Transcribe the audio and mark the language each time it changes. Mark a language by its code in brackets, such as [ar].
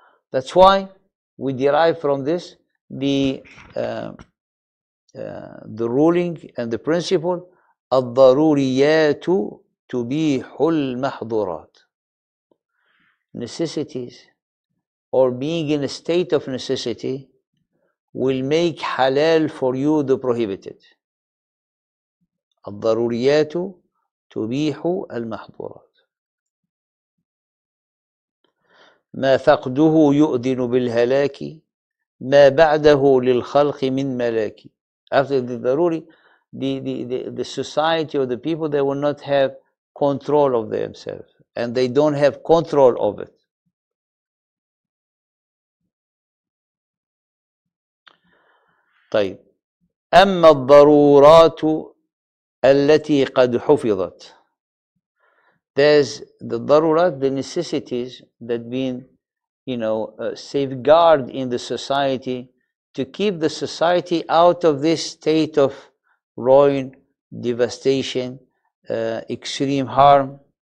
[en] That's why we derive from this the ruling and the principle [ar] الضروريات تبيح المحظورات. [en] Necessities or being in a state of necessity will make halal for you the prohibited. [ar] الضروريات تبيح المحظورات. ما فقده يؤذن بالهلاك ما بعده للخلق من ملاك. [en] After the ضروري, the society or the people, they will not have control of themselves and they don't have control of it. [ar] طيب أما الضرورات التي قد حفظت. [en] There's the ضرورات, the necessities that been, you know, safeguard in the society to keep the society out of this state of ruin, devastation, extreme harm.